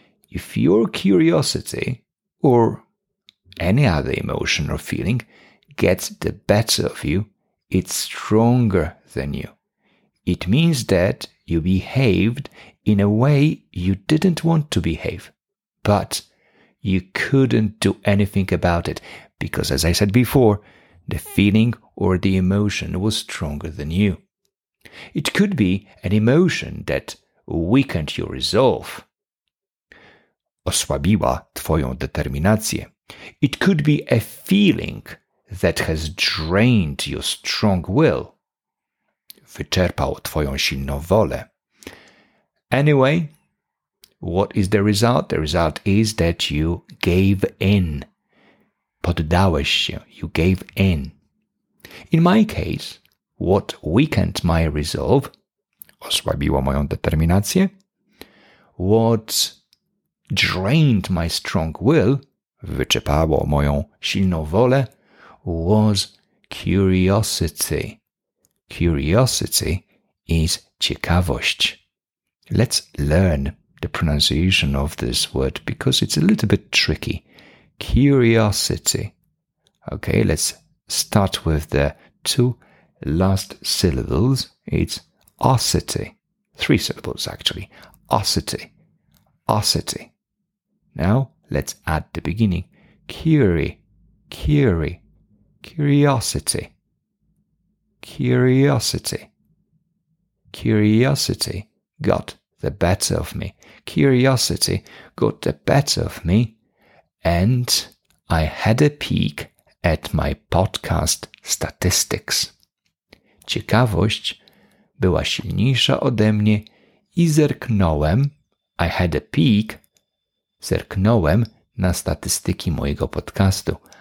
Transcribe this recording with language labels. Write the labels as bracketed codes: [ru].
[en] If your curiosity or any other emotion or feeling gets the better of you, it's stronger than you. It means that you behaved in a way you didn't want to behave, but you couldn't do anything about it, because as I said before, the feeling or the emotion was stronger than you. It could be an emotion that weakened your resolve, [pl] osłabiła twoją determinację. [en] It could be a feeling that has drained your strong will, [pl] wyczerpał twoją silną wolę. [en] Anyway, what is the result? The result is that you gave in. [pl] Poddałeś się. [en] You gave in. In my case, what weakened my resolve, [pl] osłabiło moją determinację, [en] what drained my strong will, [pl] wyczerpało moją silną wolę, [en] was curiosity. Curiosity is ciekawość. Let's learn the pronunciation of this word because it's a little bit tricky. Curiosity. Okay, let's start with the two last syllables. It's osity. Three syllables, actually. Osity. Osity. Now, let's add the beginning. Curiosity. Curiosity. Curiosity got the better of me. Curiosity got the better of me. And I had a peek at my podcast statistics. [pl] Ciekawość była silniejsza ode mnie i zerknąłem. [en] I had a peek. [pl] Zerknąłem na statystyki mojego podcastu.